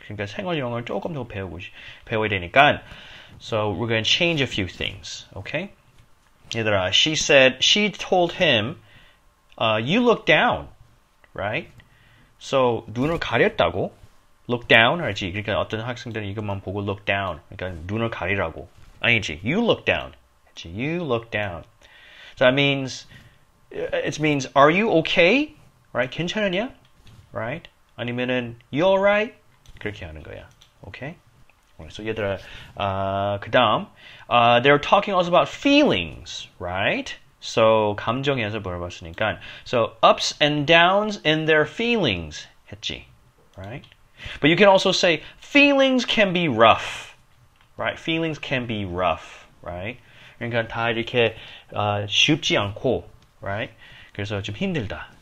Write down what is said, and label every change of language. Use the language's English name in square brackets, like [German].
[Korean] 그러니까 생활 영어를 조금 더 배워야 되니까. [English] So we're going to change a few things, okay? [Korean] 얘들아, [English] she said, she told him, you look down, right? [Korean] So 눈을 가렸다고, [English] look down, [Korean] 알지? 그러니까 어떤 학생들은 이것만 보고 look down, 그러니까 눈을 가리라고. 아니지, [English] you look down, [Korean] 알지? [English] You look down. So that means, it means, are you okay? Right? [Korean] 괜찮으냐? [English] Right? [Korean] 아니면은, [English] you alright? [Korean] 그렇게 하는 거야. [English] Okay? Right. So, [Korean] 얘들아, 그 다음, [English] they're talking also about feelings, right? [Korean] So, 감정에서 물어봤으니까. [English] So, ups and downs in their feelings, [Korean] 했지. [English] Right? But you can also say, feelings can be rough. Right? Feelings can be rough. Right? [Korean] 그러니까 다 이렇게 쉽지 않고, [English] right? [Korean] 그래서 좀 힘들다.